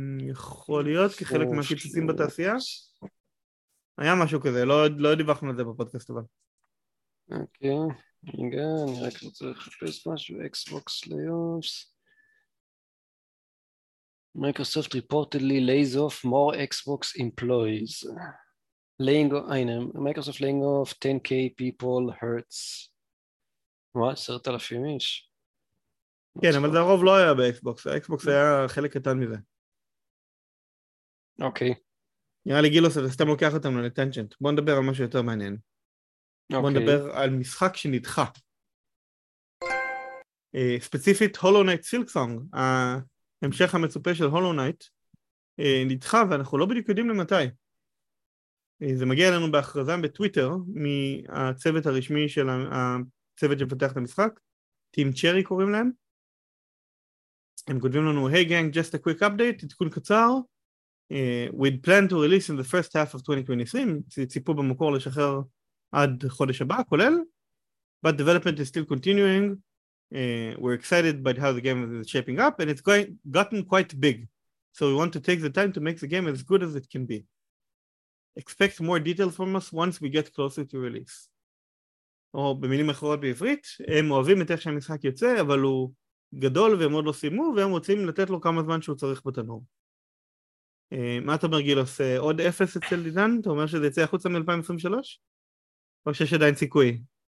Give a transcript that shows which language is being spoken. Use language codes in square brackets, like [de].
[he] יכול להיות, כחלק מהקיצוצים בתעשייה. היה משהו כזה, לא דיווחנו על זה בפודקאסט אבל. אוקיי. רגע, אני רק רוצה לחפש משהו, אקסבוקס ליופס. [en] מייקרוסופט reportedly lays off more Xbox employees. מייקרוסופט laying off 10,000 people hurts. [he] מה, 10,000 איש? כן, אבל זה הרוב לא היה באקסבוקס, האקסבוקס היה חלק קטן מזה. אוקיי. נראה לי גילוס, אתה סתם לוקח אותנו לטנג'נט, בוא נדבר על משהו יותר מעניין. Okay. בוא נדבר על משחק שנדחה. ספציפית, Hollow Knight Silksong, ההמשך המצופה של Hollow Knight, נדחה, ואנחנו לא בדיוק יודעים למתי. זה מגיע לנו בהכרזה בטוויטר, מהצוות הרשמי של הצוות שפתח את המשחק, Team Cherry קוראים להם. הם כותבים לנו, [en] Hey gang, just a quick update, [he] עדכון קצר. [en] We'd planned to release in the first half of 2023, [he] ציפו במקור לשחרר עד חודש הבא, כולל, [en] but development is still continuing, we're excited by how the game is shaping up, and it's gotten quite big, so we want to take the time to make the game as good as it can be. Expect more details from us once we get closer to release. [he] או במילים אחרות בעברית, הם אוהבים את איך שהמשחק יוצא, אבל הוא גדול והם עוד לא סיימו, והם רוצים לתת לו כמה זמן שהוא צריך בתנור. מה אתה אומר גילוס, עוד אפס אצל דידן? אתה אומר שזה יצא החוצה מ-2023? או שיש עדיין סיכוי?